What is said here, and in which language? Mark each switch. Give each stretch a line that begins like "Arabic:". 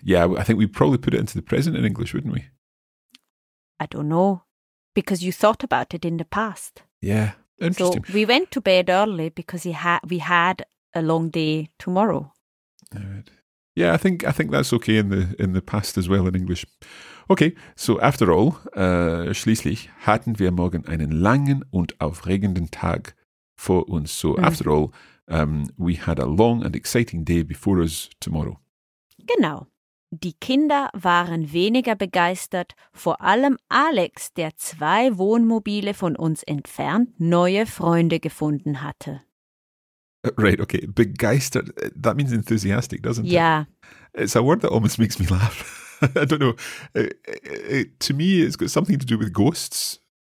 English: Yeah, I think we'd probably put it into the present in English, wouldn't we? I don't know. Because you thought about it in the past. Yeah, interesting. So we went to bed early because we had a long day tomorrow. Right. Yeah, I think that's okay in the past as well in English. Okay, so after all,
German: schließlich hatten wir morgen einen langen und aufregenden Tag vor uns.
English: So after all, we had a long and exciting day before us tomorrow.
German: Genau. Die Kinder waren weniger begeistert, vor allem Alex, der zwei Wohnmobile von uns entfernt neue Freunde gefunden hatte.
English: Right, okay. Begeistert, that means enthusiastic, doesn't it? Yeah. It's a word that almost makes me laugh. I don't know. To me, it's got something to do with ghosts.